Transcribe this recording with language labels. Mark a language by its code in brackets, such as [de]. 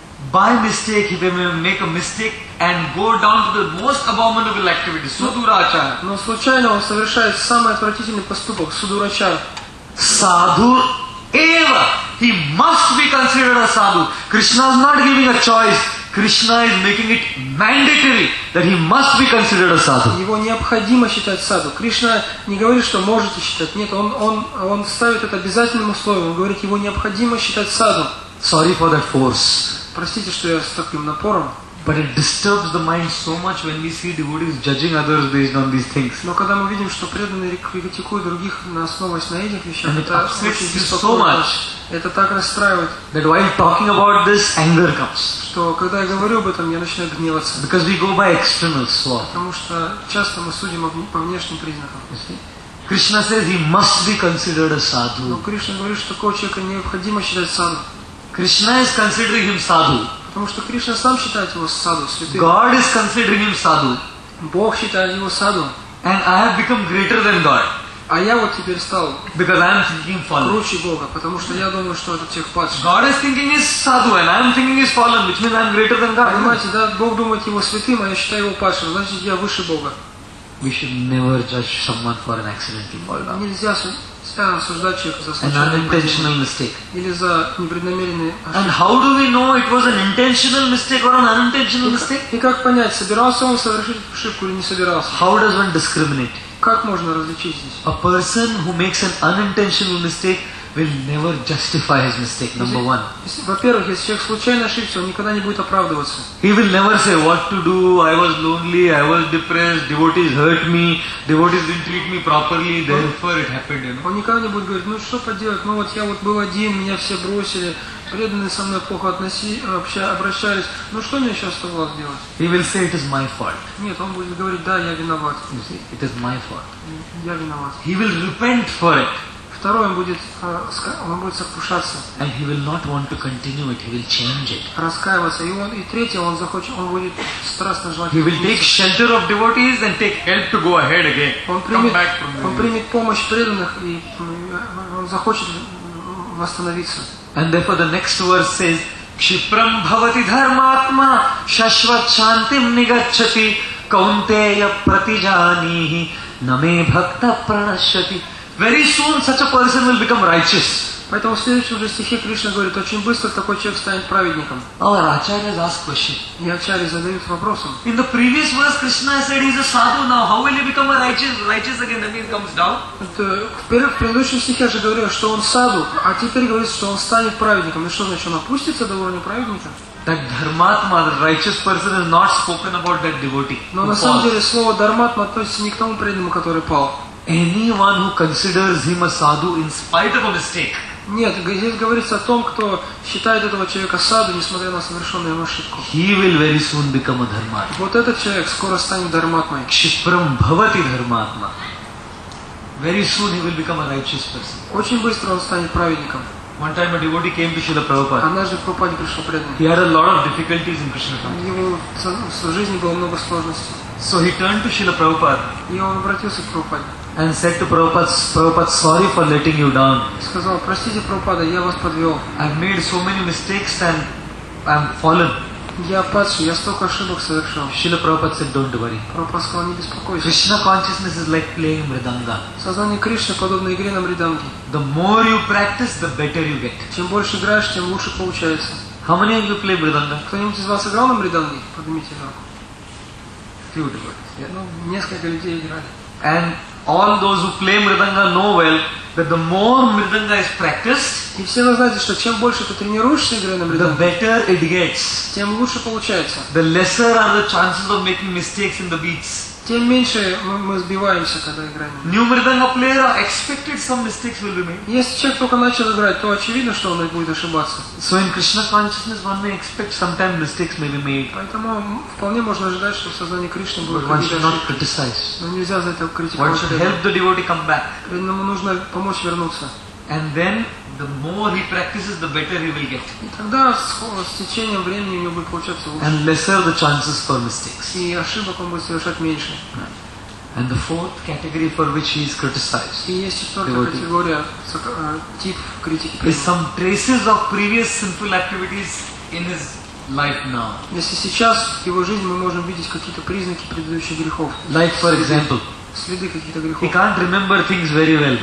[en] By mistake, if they make a mistake and go down to the most abominable activity, sudurachara. [ru] Но случайно он совершает самый отвратительный поступок, sudurachara. [en] Sadhu eva. He must be considered a sadhu. Krishna is not giving a choice. Krishna is making it mandatory that he must be considered a sadhu. [ru] Его необходимо считать sadhu. Krishna не говорит, что можете считать. Нет, он ставит это обязательным условием. Он говорит, его необходимо считать sadhu. [en] Sorry for that force. [ru] Простите, что я с таким напором. [en] But it disturbs the mind so much when we see devotees judging others based on these things. [ru] Но когда мы видим, что преданные критикуют других на основе на этих вещах, [en] and [ru] это [en] upsets you so much. [ru] Это так расстраивает. [en] That while talking about this, anger comes. [ru] Что когда я говорю об этом, я начинаю гневаться. [en] Because we go by external law. [ru] Потому что часто мы судим по внешним признакам. [en] Krishna says he must be considered a sadhu. [ru] Но Кришна говорит, что такого человека необходимо считать sadhu. [en] Krishna is considering him sadhu. [ru] Потому что Кришна сам считает его саду святым. [en] God is considering him sadhu. [ru] Бог считает его саду. [en] And I have become greater than God. [ru] А я вот теперь стал. [en] Because I am thinking fallen. [ru] Круче Бога, потому что я думаю, что этот человек падший. [en] God is thinking he is sadhu, and I am thinking he is fallen, which means I am greater than God. [ru] Понимаете, да? Бог думает его святым, а я считаю его падшим. Значит, я выше Бога. [en] We should never judge someone for an accidental fall. [ru] Нельзя осуждать человека за случайное. [en] An unintentional mistake. [ru] Или за непреднамеренные ошибки. [en] And how do we know it was an intentional mistake or an unintentional mistake? [ru] И как понять, собирался он совершить ошибку или не собирался? [en] How does one discriminate? [ru] Как можно различить здесь? [en] A person who makes an unintentional mistake will never justify his mistake, number one. [ru] Во-первых, если человек случайно ошибся, он никогда не будет оправдываться. [en] He will never say, what to do, I was lonely, I was depressed, devotees hurt me, devotees didn't treat me properly, therefore it happened, you know. [ru] Он никогда не будет говорить, ну что поделать, ну вот я вот был один, меня все бросили, преданные со мной плохо обращались, ну что мне сейчас оставалось делать? [en] He will say, it is my fault. [ru] Нет, он будет говорить, да, я виноват. [en] You see, it is my fault. [ru] Я виноват. [en] He will repent for it. [ru] Второе, он будет сокрушаться. [en] And he will not want to continue it. He will change it. [ru] Раскаиваться. И третье, он захочет, он будет страстно желать. [en] He will take shelter of devotees and take help to go ahead again. [ru] Он примет помощь преданных и он захочет восстановиться. [en] And therefore the next verse says, [sa] Кшипрам бхавати дхарматма шашват шантим нигачати каунтея пратижанихи наме бхакта пранашати. [en] Very soon such a person will become righteous. [ru] Поэтому в следующем же стихе Кришна говорит, очень быстро такой человек станет праведником. [en] Our acharyas ask question. [ru] И ачарьи задают вопросом. [en] In the previous verse Krishna said he is a sadhu now. How will he become a righteous again? That means comes down. [ru] В предыдущем стихе же говорил, что он саду, а теперь говорится, что он станет праведником. И что значит, он опустится до уровня праведника? [en] That dharmatma, the righteous person, is not spoken about that devotee. [ru] Но на самом деле слово dharmatma относится не к тому преданному, который пал. [en] Anyone who considers him a sadhu in spite of a mistake. [ru] Нет, здесь говорится о том, кто считает этого человека саду, несмотря на совершенную ошибку. [en] He will very soon become a dharmatma. [ru] Вот этот человек скоро станет дхарматмой. [sa] Кшипрам бхавати дхарматма. [en] Very soon he will become a righteous person. [ru] Очень быстро он станет праведником. [en] One time a devotee came to Srila Prabhupada. [ru] Однажды Прабхупаде пришел преданный. [en] He had a lot of difficulties in Krishna consciousness. [ru] Его в жизни было много сложностей. [en] So he turned to Srila Prabhupada. [ru] И он обратился к Прабхупаде. [en] And said to Prabhupada, Prabhupada, sorry for letting you down. [ru] Сказал, простите, Прабхупада, я вас подвел. [en] I've made so many mistakes and I'm fallen. [ru] Я падший, я столько ошибок совершил. [en] Srila Prabhupada said, don't worry. [ru] Прабхупада сказал, не беспокойся. [en] Krishna consciousness is like playing mridanga. [ru] Сознание Кришны подобно игре на мриданге. [en] The more you practice, the better you get. [ru] Чем больше играешь, тем лучше получается. [en] How many of you play mridanga? [ru] Кто-нибудь из вас играл на мриданге? Поднимите руку. [en] Few devotees. [ru] Ну, несколько людей играли. [en] And all those who play mridanga know well that the more mridanga is practiced, [ru] и все вы знаете, что чем больше ты тренируешься игры на мриданге, [en] the better it gets. [ru] Тем лучше получается. [en] The lesser are the chances of making mistakes in the beats. [ru] Тем меньше мы сбиваемся, когда играем. [en] New mridanga player are expected some mistakes will be made. [ru] Если человек только начал играть, то очевидно, что он будет ошибаться. [en] So in Krishna consciousness, one may expect sometimes mistakes may be made. [ru] Поэтому вполне можно ожидать, что в сознании Кришны будет. [en] One should not criticize. [ru] Но нельзя за это критиковать. [en] One should help the devotee come back. [ru] Преданному нужно помочь вернуться. [en] And then the more he practices, the better he will get. [ru] И тогда с течением времени у него будет получаться лучше. [en] And lesser the chances for mistakes. [ru] И ошибок он будет совершать меньше. [en] And the fourth category for which he is criticized. [ru] И есть четвертая категория, тип критики. [en] Is some traces of previous sinful activities in his life now. [ru] Если сейчас в его жизни мы можем видеть какие-то признаки предыдущих грехов. [en] Like for example. [ru] Следы каких-то грехов. [en] He can't remember things very well.